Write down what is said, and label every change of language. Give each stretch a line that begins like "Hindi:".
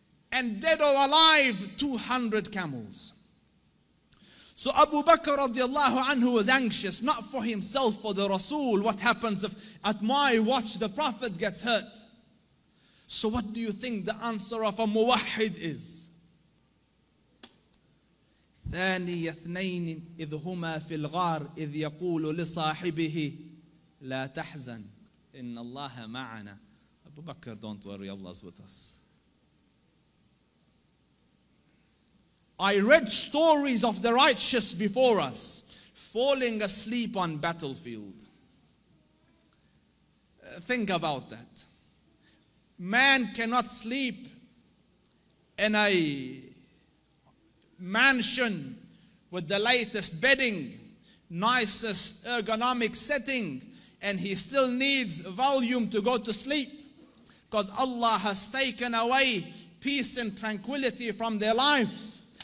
English: And dead or alive, 200 camels. So Abu Bakr radiallahu anhu was anxious, not for himself, for the Rasul. What happens if at my watch the Prophet gets hurt? So what do you think the answer of a muwahid is?
Arabic: ثاني اثنين إذ هما في الغار إذ يقول لصاحبه لا تحزن إن الله معنا.
English: Abu Bakr, don't worry, Allah's with us. I read stories of the righteous before us falling asleep on battlefield. Think about that. Man cannot sleep in a mansion with the latest bedding, nicest ergonomic setting, and he still needs volume to go to sleep because Allah has taken away peace and tranquility from their lives.